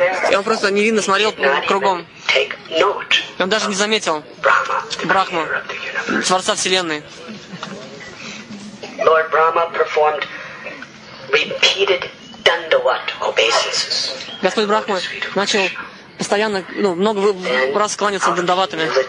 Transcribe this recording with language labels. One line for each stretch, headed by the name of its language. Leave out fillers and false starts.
Russian: И он просто невинно смотрел кругом. И он даже не заметил Брахма, Творца Вселенной.
English: Lord Brahma performed repeated dandavat obeisances.
Russian: Господь Брахма начал постоянно, ну, много раз кланяться дандаватами.